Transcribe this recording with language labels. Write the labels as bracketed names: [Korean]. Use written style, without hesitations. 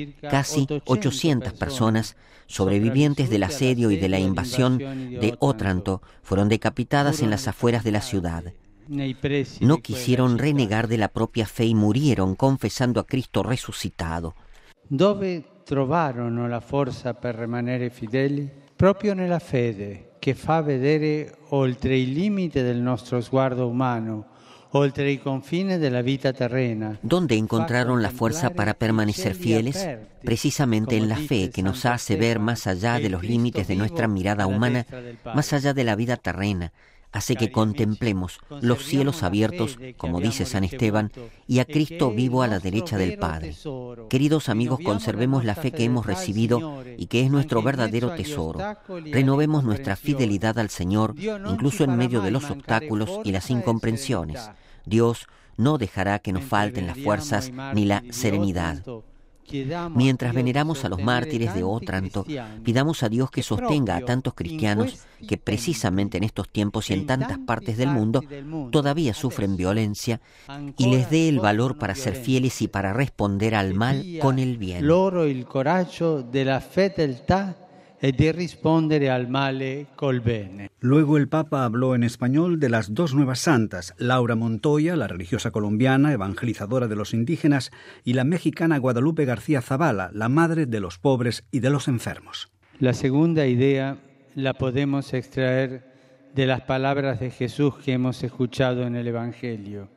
[Spanish] Casi 800 personas, sobrevivientes del asedio y de la invasión de Otranto, fueron decapitadas en las afueras de la ciudad. No quisieron renegar de la propia fe y murieron confesando a Cristo resucitado. ¿Dónde trovaron la fuerza para permanecer fieles? [Italian] Proprio nella fede che fa vedere oltre i limiti del nostro sguardo umano, oltre i confini della vita terrena. [Spanish] Dove encontraron la fuerza para permanecer fieles? Precisamente en la fe que nos hace ver más allá de los límites de nuestra mirada humana, más allá de la vida terrena. Hace que contemplemos los cielos abiertos, como dice San Esteban, y a Cristo vivo a la derecha del Padre. Queridos amigos, conservemos la fe que hemos recibido y que es nuestro verdadero tesoro. Renovemos nuestra fidelidad al Señor, incluso en medio de los obstáculos y las incomprensiones. Dios no dejará que nos falten las fuerzas ni la serenidad. Mientras veneramos a los mártires de Otranto, pidamos a Dios que sostenga a tantos cristianos que precisamente en estos tiempos y en tantas partes del mundo todavía sufren violencia y les dé el valor para ser fieles y para responder al mal con el bien. [Italian] Loro il coraggio della fedeltà e di rispondere al male col bene. Luego el Papa habló en español de las dos nuevas santas, Laura Montoya, la religiosa colombiana, evangelizadora de los indígenas, y la mexicana Guadalupe García Zavala, la madre de los pobres y de los enfermos. La segunda idea la podemos extraer de las palabras de Jesús que hemos escuchado en el Evangelio.